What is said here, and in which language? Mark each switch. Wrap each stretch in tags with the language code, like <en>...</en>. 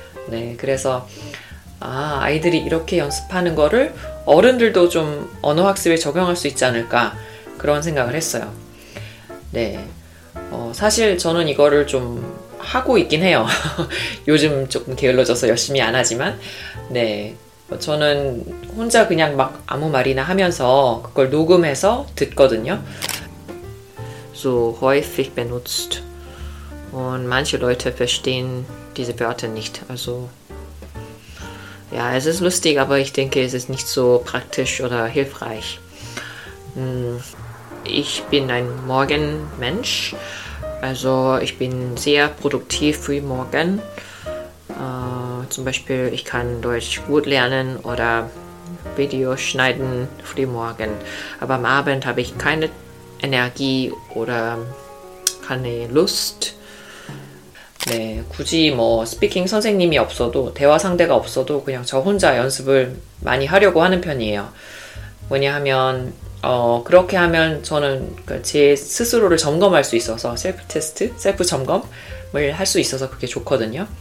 <ko>네, 그래서 아이들이 이렇게 연습하는 거를 어른들도 좀 언어 학습에 적용할 수 있지 않을까 그런 생각을 했어요. 네, 사실 저는 이거를 좀 하고 있긴 해요. 요즘 조금 게을러져서 열심히 안 하지만 네, 저는 혼자 그냥 막 아무 말이나 하면서 그걸 녹음해서 듣거든요.</ko> <de>So häufig benutzt und manche Leute verstehen diese Wörter nicht. Also ja, es ist lustig, aber ich denke, es ist nicht so praktisch oder hilfreich. Ich bin ein Morgenmensch, also ich bin sehr produktiv früh morgen. Zum Beispiel, ich kann Deutsch gut lernen oder Videos schneiden früh morgen. Aber am Abend habe ich keine Energie oder keine Lust.</de> <ko>네, 굳이 뭐 스피킹 선생님이 없어도 대화 상대가 없어도 그냥 저 혼자 연습을 많이 하려고 하는 편이에요. 왜냐하면 그렇게 하면 저는 제 스스로를 점검할 수 있어서 셀프 점검을 할 수 있어서 그게 좋거든요.</ko>